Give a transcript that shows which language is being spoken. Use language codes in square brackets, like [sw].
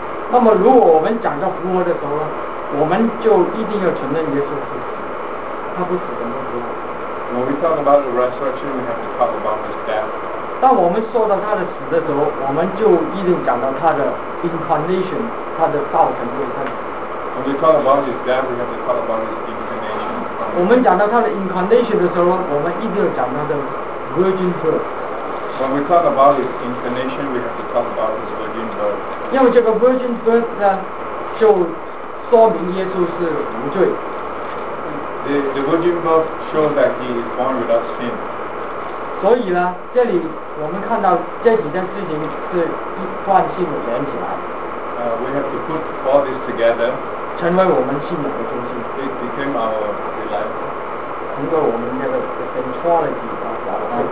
[zh] 那么如果我们讲到复活的时候呢，我们就一定要承认耶稣是死，他不死怎么复活？ [en] When we talk about the resurrection, we have to talk about his death. [zh] 当我们说到他的死的时候，我们就一定讲到他的 incarnation, 他的道成肉身。 [en] When we talk about his death, we have to talk about his incarnation. [zh] 我们讲到他的 incarnation 的时候，我们一定要讲他的 virgin birth. [en] When we talk about his incarnation, we have to talk about his virgin birth. [zh] 因为这个 virgin birth 呢，就说明耶稣是无罪。 [en] The virgin birth shows that he is born without sin. [zh] 所以呢，这里我们看到这几件事情是一贯性的连起来。 [en] We have to put all this together. [zh] 成为我们信仰的中心。 [en] It became our reliability. [zh] 成为我们那个 centrality 啊，然后